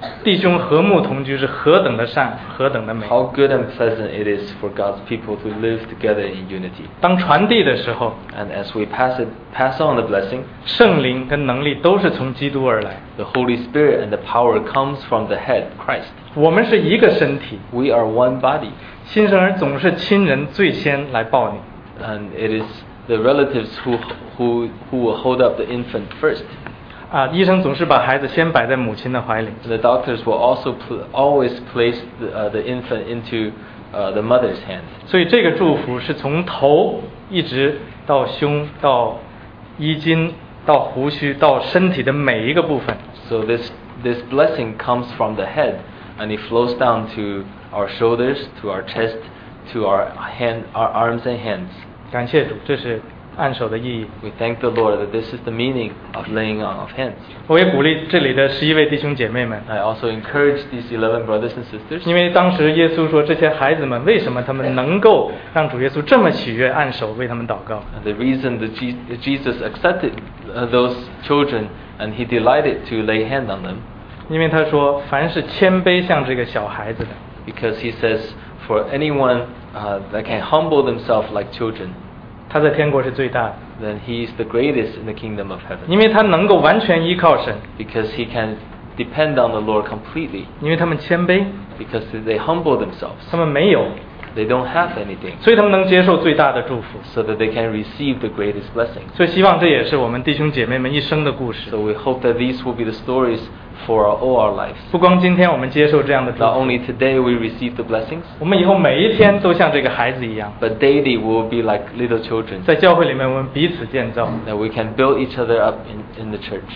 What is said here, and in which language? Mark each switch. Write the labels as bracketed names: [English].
[Chinese] 弟兄和睦同居是何等的善，何等的美。 [English] How good and pleasant it is for God's people to live together in unity. [Chinese] 当传递的时候， [English] and as we pass on the blessing, [Chinese] 圣灵跟能力都是从基督而来。 [English] The Holy Spirit and the power comes from the head, Christ. [Chinese] 我们是一个身体。 [English] We are one body. [Chinese] 新生儿总是亲人最先来抱你。 [English] And it is the relatives who will hold up the infant first. [Chinese] 啊，医生总是把孩子先摆在母亲的怀里。 [English] The doctors will also always place the infant into the mother's hand. [Chinese] 所以这个祝福是从头一直到胸到衣襟到胡须到身体的每一个部分。 [English] So this blessing comes from the head and it flows down to our shoulders, to our chest, to our arms and hands. [Chinese] 感谢主，这是。按手的意义。 [English] We thank the Lord that this is the meaning of laying on of hands. [Chinese] 我也鼓励这里的十一位弟兄姐妹们。 [English] I also encourage these 11 brothers and sisters. [Chinese] 因为当时耶稣说，这些孩子们为什么他们能够让主耶稣这么喜悦按手为他们祷告 [English] ？The reason that Jesus accepted those children and he delighted to lay hand on them. [Chinese] 因为他说，凡是谦卑像这个小孩子的。 [English] Because he says, for anyone that can humble themselves like children. [Chinese] 他在天国是最大的。 [English] Then he is the greatest in the kingdom of heaven. [Chinese] 因为他能够完全依靠神。 [English] Because he can depend on the Lord completely. [Chinese] 因为他们谦卑。 [English] Because they humble themselves. [Chinese] 他们没有。 [English] They don't have anything. [Chinese] 所以他们能接受最大的祝福。 [English] So that they can receive the greatest blessing. [Chinese] 所以希望这也是我们弟兄姐妹们一生的故事。 [English] So we hope that these will be the stories for all our lives. [Chinese] 不光今天我们接受这样的祝福。 [English] Not only today we receive the blessings. [Chinese] 我们以后每一天都像这个孩子一样。 [English] But daily we'll be like little children. [Chinese] 在教会里面我们彼此建造。 [English] That we can build each other up in the church.